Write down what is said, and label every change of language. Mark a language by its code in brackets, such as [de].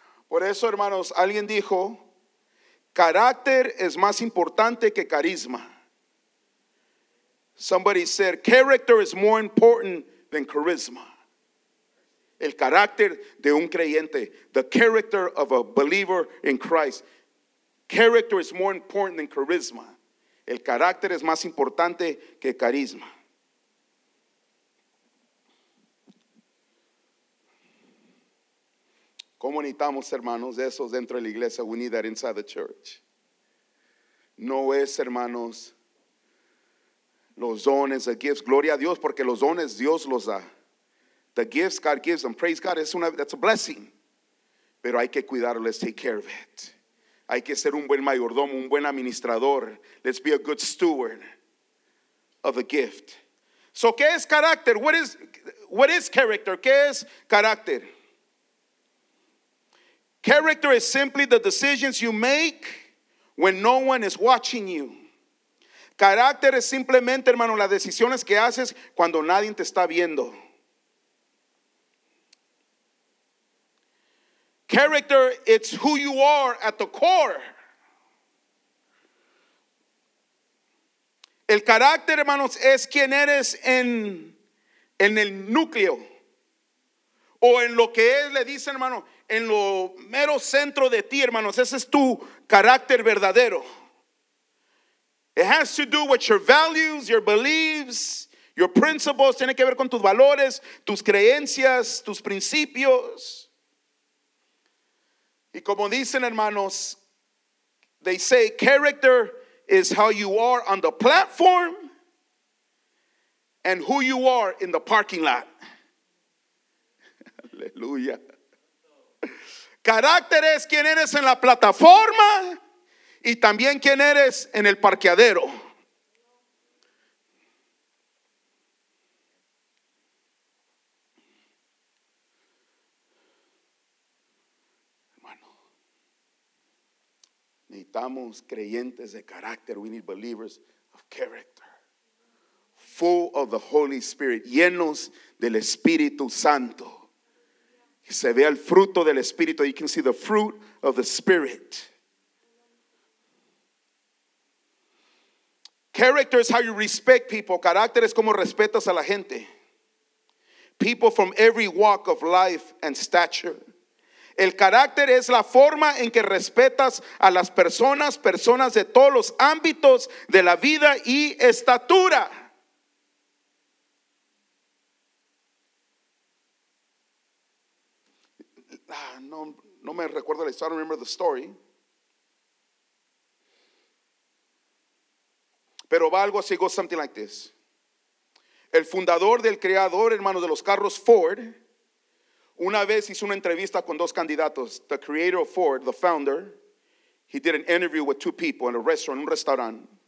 [es] Por eso, hermanos, alguien dijo, carácter es más importante que carisma. [en] Somebody said, character is more important than charisma. [es] El carácter de un creyente, [en] the character of a believer in Christ. Character is more important than charisma. [es] El carácter es más importante que carisma. ¿Cómo necesitamos, hermanos, esos dentro de la iglesia? [en] We need that inside the church. [es] No es, hermanos, los dones, [en] the gifts. [es] Gloria a Dios, porque los dones Dios los da. [en] The gifts God gives them, praise God, that's a blessing. [es] Pero hay que cuidarlo, [en] let's take care of it. [es] Hay que ser un buen mayordomo, un buen administrador. [en] Let's be a good steward of the gift. [es] So, ¿qué es carácter? [en] What is character? [es] ¿Qué es carácter? [en] Character is simply the decisions you make when no one is watching you. [es] Carácter es simplemente, hermano, las decisiones que haces cuando nadie te está viendo. [en] Character, it's who you are at the core. [es] El carácter, hermanos, es quien eres en el núcleo. O en lo que él le dice, hermano, en lo mero centro de ti, hermanos. Ese es tu carácter verdadero. [en] It has to do with your values, your beliefs, your principles. [es] Tiene que ver con tus valores, tus creencias, tus principios. Y como dicen, hermanos, [en] they say character is how you are on the platform and who you are in the parking lot. [es] Aleluya. Carácter es quien eres en la plataforma y también quien eres en el parqueadero. Necesitamos creyentes de carácter. [en] We need believers of character. Full of the Holy Spirit. [es] Llenos del Espíritu Santo. Que se vea el fruto del Espíritu. [en] You can see the fruit of the Spirit. Character is how you respect people. [es] Carácter es como respetas a la gente. [en] People from every walk of life and stature. [es] El carácter es la forma en que respetas a las personas, personas de todos los ámbitos de la vida y estatura. No me recuerdo la historia, [en] I don't remember the story. [es] Pero va algo así, [en] goes something like this. [es] El fundador del creador, hermanos, de los carros Ford, una vez hizo una entrevista con dos candidatos. [en] The creator of Ford, the founder, he did an interview with two people in a restaurant, [es] un restaurante.